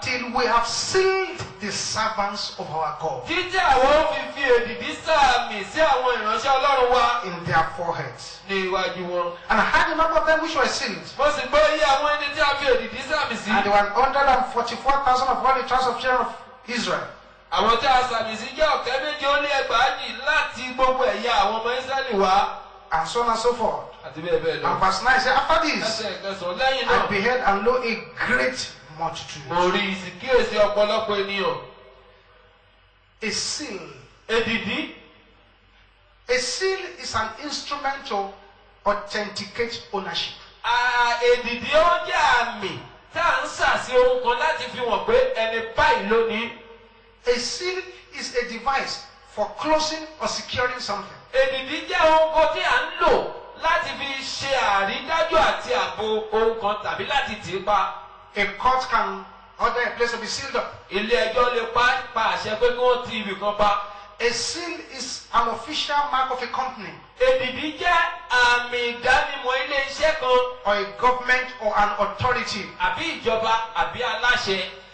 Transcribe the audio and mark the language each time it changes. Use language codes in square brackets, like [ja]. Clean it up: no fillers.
[en] Till we have sealed the servants of our God. [yo] Titi awon fi fi edidi sa mi si awon iranse Olorun wa. [en] In their foreheads. [yo] Ni iwaju won. [en] And I had a number of them which were sealed. [yo] Mo si gbo aye awon eni ti a fi edidi sa mi si. [en] And there were 144,000 of all the tribes of children of Israel. [yo] Àwọn tí a sàmìsí jẹ́ ọ̀kẹ́ méjì ó lé ẹgbàájì láti gbogbo ẹ̀yà àwọn ọmọ Ísíráélì wá. [en] And so on and so forth. [yo] Àti bẹ́ẹ̀ bẹ́ẹ̀ lọ. [en] And verse 9 says, after this, I beheld and lo a great multitude. [yo] Mo rí ìsìkíyèsí ọ̀pọ̀lọpọ̀ ènìyàn. [en] A seal. [yo] Èdìdí. [en] A seal is an instrument to authenticate ownership. [yo] Èdìdí ó jẹ́ àmì tá à ń sà sí ohun kan láti fi hàn pé ẹni báyìí lónìí. [en] A seal is a device for closing or securing something. [yo] Èdìdí jẹ́ ohun kan tí a ń lò láti fi ṣe àrídájú àti àbò ohun kan tàbí láti tì í pa. [en] A court can order a place to be sealed up. [yo] Ilé ẹjọ́ lè pa àṣẹ pé kí wọ́n ti ibì kan pa. [en] A seal is an official mark of a company. [yo] Èdìdí jẹ́ àmì ìdánimọ̀ ilé iṣẹ́ kan. [en] Or a government or an authority. [yo] Àbí ìjọba àbí aláṣẹ.